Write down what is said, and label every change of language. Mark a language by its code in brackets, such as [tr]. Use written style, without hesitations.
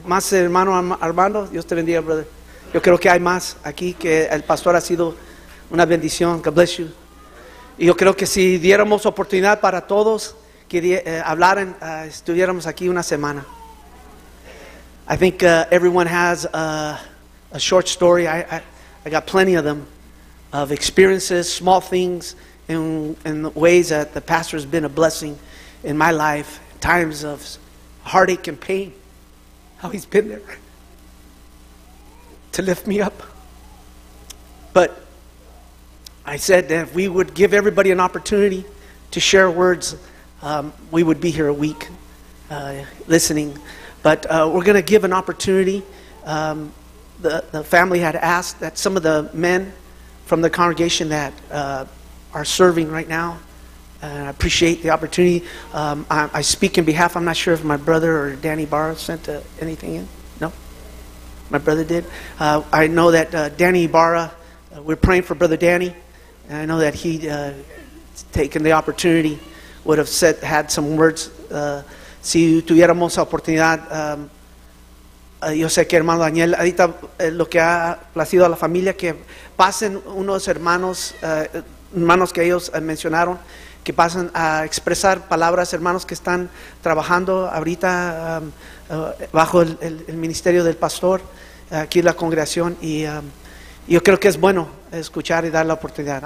[es] Más hermano Armando, Dios te bendiga, brother. Yo creo que hay más aquí, que el pastor ha sido una bendición. [en] God bless you. [es] Y yo creo que si diéramos oportunidad para todos que hablaran, estuviéramos aquí una semana. [en] I think everyone has a short story. I got plenty of them, of experiences, small things, and ways that the pastor has been a blessing in my life, times of heartache and pain, how he's been there to lift me up. But I said that if we would give everybody an opportunity to share words, we would be here a week listening. But we're going to give an opportunity. The family had asked that some of the men from the congregation that are serving right now, and I appreciate the opportunity. I speak in behalf. I'm not sure if my brother or Danny Barra sent anything in. No? My brother did? I know that Danny Barra, we're praying for Brother Danny. And I know that he taken the opportunity, would have said, had some words. [es] Si tuviéramos oportunidad, yo sé que hermano Daniel, ahorita lo que ha placido a la familia, que pasen unos hermanos, hermanos que ellos mencionaron, que pasen a expresar palabras, hermanos que están trabajando ahorita bajo el ministerio del pastor, aquí en la congregación, y yo creo que es bueno escuchar y dar la oportunidad.